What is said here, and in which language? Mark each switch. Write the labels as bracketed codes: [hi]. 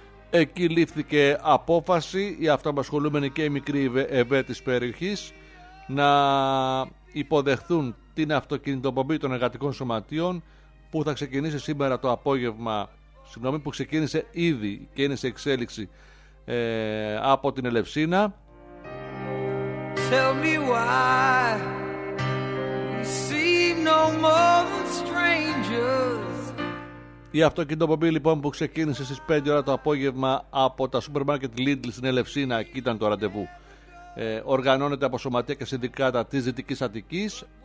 [el] Εκεί λήφθηκε απόφαση οι αυτοαπασχολούμενοι και οι μικροί ΕΒΕ της περιοχής να υποδεχθούν την αυτοκινητοπομπή των εργατικών σωματείων που θα ξεκινήσει σήμερα το απόγευμα, συγγνώμη, που ξεκίνησε ήδη και είναι σε εξέλιξη από την Ελευσίνα. [en] Tell me why we seem no more than strangers. [el] Η αυτοκινητοπομπή λοιπόν που ξεκίνησε στις 5 ώρα το απόγευμα από τα σούπερ μάρκετ Lidl στην Ελευσίνα, εκεί ήταν το ραντεβού, οργανώνεται από σωματεία και συνδικάτα της Δυτικής Αττικής.